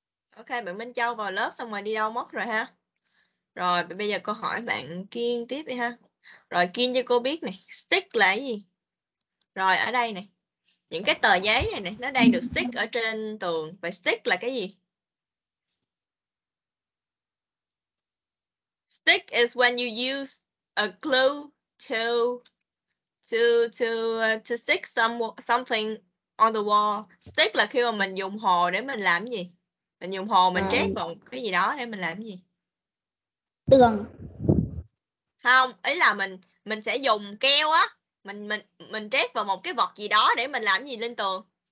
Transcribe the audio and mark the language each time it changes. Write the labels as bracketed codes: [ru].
[vi] Ok, bạn Minh Châu vào lớp xong rồi đi đâu mất rồi ha. Rồi bây giờ cô hỏi bạn Kiên tiếp đi ha. Rồi Kiên cho cô biết này, stick là cái gì? Rồi ở đây này, những cái tờ giấy này này, nó đang được stick ở trên tường. Vậy stick là cái gì? [en] Stick is when you use a glue to stick something on the wall. [vi] Stick là khi mà mình dùng hồ để mình làm cái gì? Mình dùng hồ mình trét vào cái gì đó để mình làm cái gì? Tường. Không, ý là mình sẽ dùng keo á, mình trét vào một cái vật gì đó để mình làm gì lên tường.